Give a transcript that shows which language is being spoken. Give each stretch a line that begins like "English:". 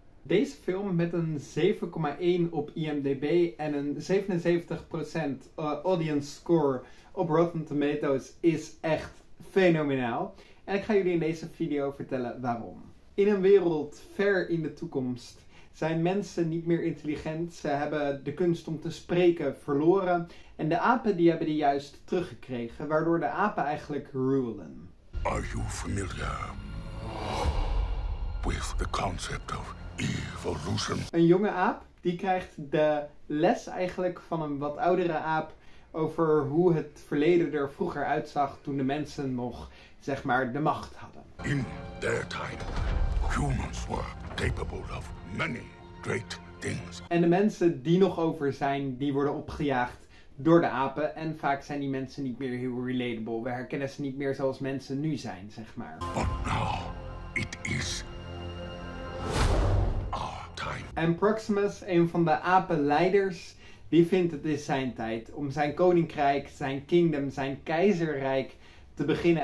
Dutch: Deze film met een 7,1 op IMDb en een 77% audience score op Rotten Tomatoes is echt fenomenaal. En ik ga jullie in deze video vertellen waarom. In een wereld ver in de toekomst zijn mensen niet meer intelligent. Ze hebben de kunst om te spreken verloren. En de apen die hebben die juist teruggekregen, waardoor de apen eigenlijk rulen.
English: Are you familiar with the concept of evolution?
Dutch: Een jonge aap die krijgt de les eigenlijk van een wat oudere aap over hoe het verleden er vroeger uitzag toen de mensen nog, zeg maar, de macht hadden.
English: In their time, humans were capable of many great things.
Dutch: En de mensen die nog over zijn, die worden opgejaagd door de apen. En vaak zijn die mensen niet meer heel relatable. We herkennen ze niet meer zoals mensen nu zijn, zeg maar.
English: But now it is our time.
Dutch: En Proximus, een van de apenleiders, die vindt het is zijn tijd om zijn koninkrijk, zijn kingdom, zijn keizerrijk te beginnen.